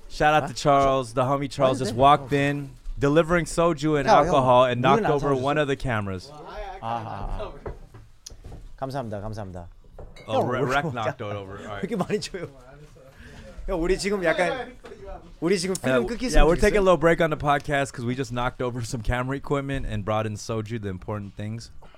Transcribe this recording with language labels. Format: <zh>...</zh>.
<en>Shout out to Charles, the homie Charles just walked in, delivering soju and alcohol and knocked over one of the cameras.</en> <ko>감사합니다, 감사합니다.</ko> <en>Rec knocked it over.</en> <ko>이렇게 많이 줘요. 우리 지금 약간 우리 지금 필름 끊기 있어요.</ko> <en>Yeah, we're taking a little break on the podcast because we just knocked over some camera equipment and brought in soju, the important things.</en>